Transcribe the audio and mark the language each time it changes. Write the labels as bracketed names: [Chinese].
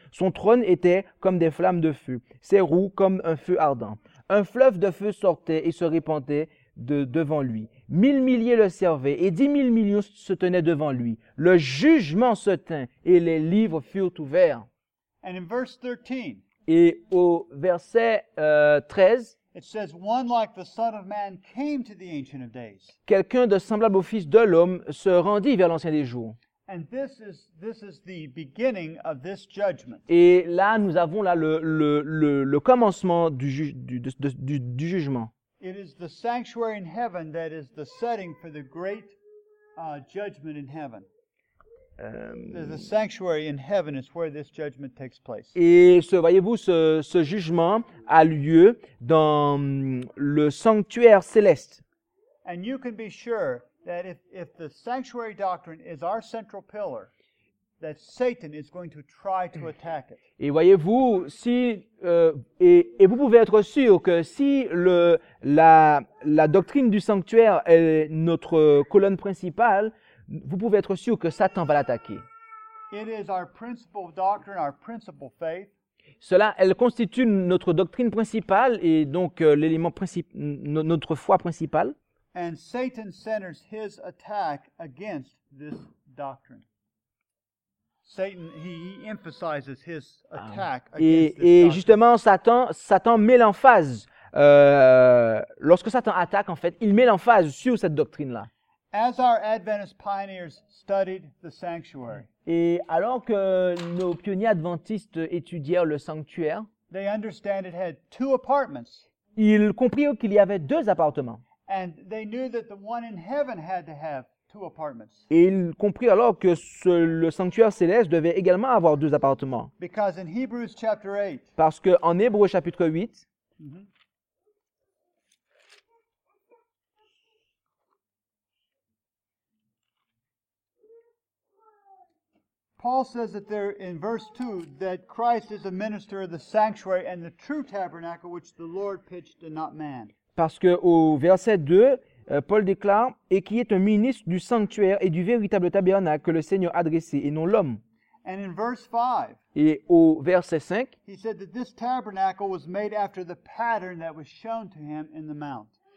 [French] Son trône était comme des flammes de feu, ses roues comme un feu ardent. Un fleuve de feu sortait et se répandait devant lui. 1,000,000 le servaient, et 10,000,000 se tenaient devant lui. Le jugement se tint, et les livres furent ouverts. [English] And in verse 13, [French] et au verset 13, [English] it says, one like the Son of Man came to the Ancient of Days. [French] Quelqu'un de semblable au Fils de l'homme se rendit vers l'Ancien des Jours. [English] And this is the beginning of this judgment. [French] Et là, nous avons là le commencement du jugement. [English] It is the sanctuary in heaven that is the setting for the great judgment in heaven. The sanctuary in heaven is where this judgment takes place. [French] Et voyez-vous, ce jugement a lieu dans le sanctuaire céleste. [English] And you can be sure that if the sanctuary doctrine is our central pillar, that Satan is going to try to attack it. [French] Et voyez-vous, vous pouvez être sûr que si la doctrine du sanctuaire est notre colonne principale, vous pouvez être sûr que Satan va l'attaquer. [English] It is our principal doctrine, our principal faith. [French] Cela, elle constitue notre doctrine principale et donc l'élément principal, notre foi principale. [English] And Satan centers his attack against this doctrine. Satan, he emphasizes his attack against [French] et, [English] this [French] et doctrine. Et justement, Satan met l'emphase. Lorsque Satan attaque, en fait, il met l'emphase sur cette doctrine-là. [English] As our Adventist pioneers studied the sanctuary, [French] et alors que nos pionniers adventistes étudièrent le sanctuaire, [English] they understand it had two apartments. [French] Ils comprirent qu'il y avait deux appartements. [English] And they knew that the one in heaven had to have two apartments. [French] Et ils comprirent alors que le sanctuaire céleste devait également avoir deux appartements. [English] Because in Hebrews chapter 8, [French] parce que en Hébreux chapitre 8, mm-hmm. [English] Paul says that there in verse 2 that Christ is a minister of the sanctuary and the true tabernacle which the Lord pitched and not man. [French] Parce que au verset 2, Paul déclare et qui est un ministre du sanctuaire et du véritable tabernacle que le Seigneur a dressé et non l'homme. [English] And in verse 5, [French] et au verset 5, [English] he said that this tabernacle was made after the pattern that was shown to him in the mount.